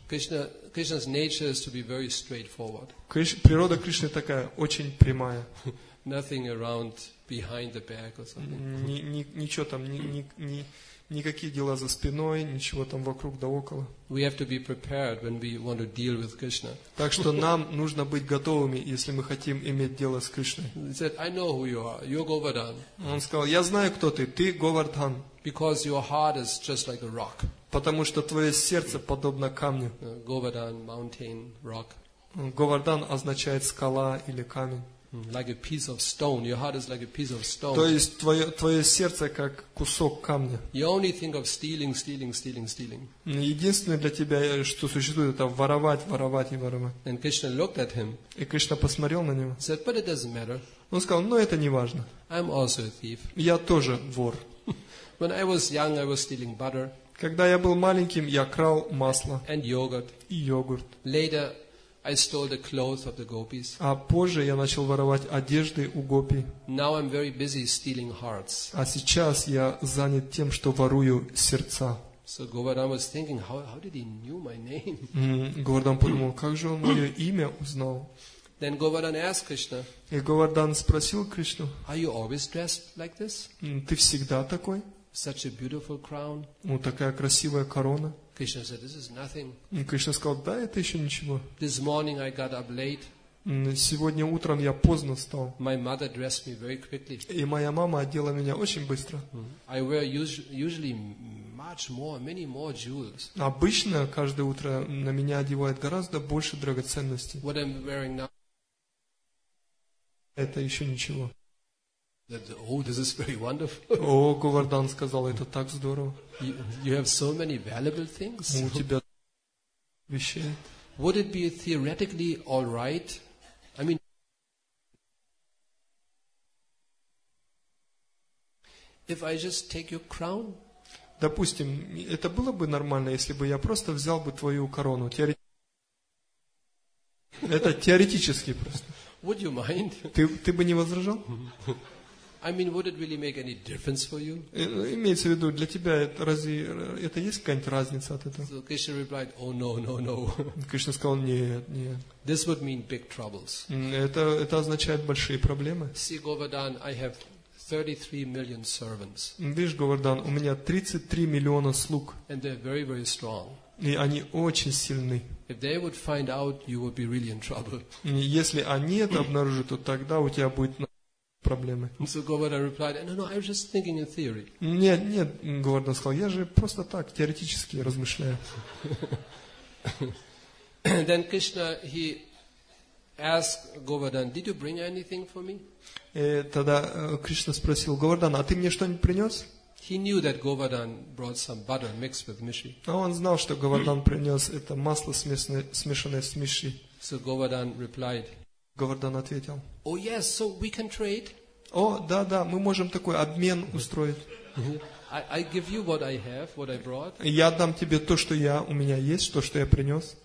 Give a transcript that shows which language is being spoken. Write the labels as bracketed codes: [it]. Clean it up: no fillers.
[en] Krishna's nature is to be very straightforward. [ru] Природа Кришны такая очень прямая. [en] Nothing around behind the back or something. [ru] Ничего там, никакие дела за спиной, ничего там вокруг да около. [en] We have to be prepared when we want to deal with Krishna. [ru] Так что нам нужно быть готовыми, если мы хотим иметь дело с Кришной. [en] He said, "I know who you are. You're Govardhan." [ru] Он сказал, я знаю, кто ты. Ты Говардхан. [en] Because your heart is just like a rock. [ru] Потому что твое сердце подобно камню. [en] Govardhan, mountain, rock. [ru] Говардхан означает скала или камень. [en] Like a piece of stone. Your heart is like a piece of stone. [ru] То есть твое сердце как кусок камня. [en] You only think of stealing. [ru] Единственное для тебя, что существует, это воровать. [en] And Krishna looked at him. [ru] И Кришна посмотрел на него. [en] Said, but it doesn't matter. [ru] Он сказал, но это не важно. [en] I'm also a thief. [ru] Я тоже вор. [en] When I was young, I was stealing butter. [ru] Когда я был маленьким, я крал масло. [en] And yogurt. [ru] И йогурт. [en] Later, I stole the clothes of the gopis. [ru] А позже я начал воровать одежды у гопи. [en] Now I'm very busy stealing hearts. [ru] А сейчас я занят тем, что ворую сердца. [en] So Govardhan was thinking, how did he knew my name? [ru] Говардхан подумал, как же он мое имя узнал? [en] Then Govardhan asked Krishna. [ru] И Говардхан спросил Кришну. [en] Are you always dressed like this? [ru] Ты всегда такой? [en] Such a beautiful crown. [ru] Ну, такая красивая корона. [en] Krishna said, "This is nothing." [ru] Кришна сказал, да, это еще ничего. [en] This morning I got up late. [ru] Сегодня утром я поздно встал. [en] My mother dressed me very quickly. [ru] И моя мама одела меня очень быстро. [en] I wear usually much more, many more jewels. [ru] Обычно каждое утро на меня одевают гораздо больше драгоценностей. [en] What I'm wearing now. [ru] Это еще ничего. [en] Oh, this is very wonderful. [ru] О, Говардхан сказал, это так здорово. [en] You have so many valuable things. [ru] У тебя вещи. [en] Would it be theoretically all right? I mean, if I just take your crown? [ru] Допустим, это было бы нормально, если бы я просто взял бы твою корону. Это теоретически просто. [en] Would you mind? [ru] Ты бы не возражал? [en] I mean, would it really make any difference for you? [ru] Имеется в виду, для тебя это есть какая-нибудь разница от этого? [en] So Krishna replied, oh no. [ru] Кришна сказал, нет. [en] This would mean big troubles. [ru] Это означает большие проблемы. [en] See, Govardhan, I have 33 million servants. [ru] Видишь, Говардхан, у меня 33 миллиона слуг. [en] And they're very, very strong. [ru] И они очень сильны. [en] If they would find out, you would be really in trouble. [ru] Если они это обнаружат, то тогда у тебя будет... проблемы. [en] So Govardhan replied, no, no, I was just thinking in theory. [ru] Нет, нет, Govardhan сказал, я же просто так теоретически размышляю. [en] Then Krishna he asked Govardhan, did you bring anything for me? [ru] И тогда Кришна спросил Говардхана, а ты мне что-нибудь принес? [en] He knew that Govardhan brought some butter mixed with mishi. [ru] Он знал, что Говардхан принес это масло смешанное с миши. [en] So Govardhan replied. [ru] Говардхан ответил. [en] Oh yes, so we can trade. [ru] О, да, да, мы можем такой обмен устроить. [en] I give you what I have, what I brought. [ru] Я дам тебе то, что я у меня есть, то, что я принес.